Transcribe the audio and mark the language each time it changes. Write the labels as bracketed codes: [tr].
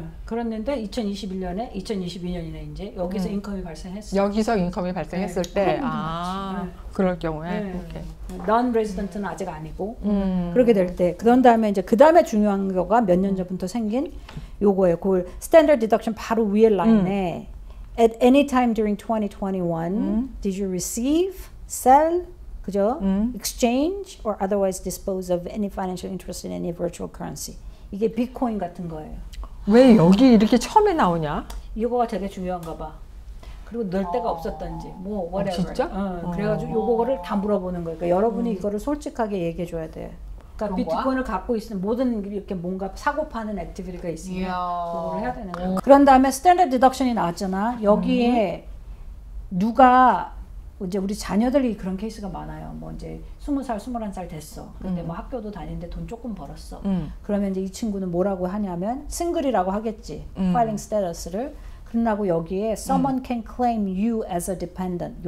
[ko] 그랬는데 2021년에 2022년이네 이제 여기서 인컴이 발생했어. 여기서 인컴이 발생했을 때. 그럴 경우에. 넌레지던트는 아직 아니고. 그렇게 될 때. 그런 다음에 이제 그 다음에 중요한 거가 몇 년 전부터 생긴 요거예요. 그 스탠더드 디덕션 바로 위에 라인에 [en] at any time during 2021 did you receive, sell? [ko] 그죠? [en] Exchange or otherwise dispose of any financial interest in any virtual currency. [ko] 이게 비트코인 같은 거예요. 왜 여기 이렇게 처음에 나오냐? 이거가 되게 중요한가 봐. 그리고 넣을 데가 없었던지 뭐 whatever. 진짜? 그래가지고 이거를 다 물어보는 거예요. 그러니까 여러분이 이거를 솔직하게 얘기해 줘야 돼. 그러니까 비트코인을 갖고 있으면 모든 이렇게 뭔가 사고 파는 액티비티가 있으면 그거를 해야 되는 거예요. 그런 다음에 스탠더드 디덕션이 나왔잖아. 여기에 누가 이제 우리 자녀들이 그런 케이스가 많아요. 뭐 이제 20살, 21살 됐어. 근데 뭐 학교도 다니는데 돈 조금 벌었어. 그러면 이제 이 친구는 뭐라고 하냐면 싱글이라고 하겠지. Filing status를. 그러나고 여기에 [en] someone can claim you as a dependent.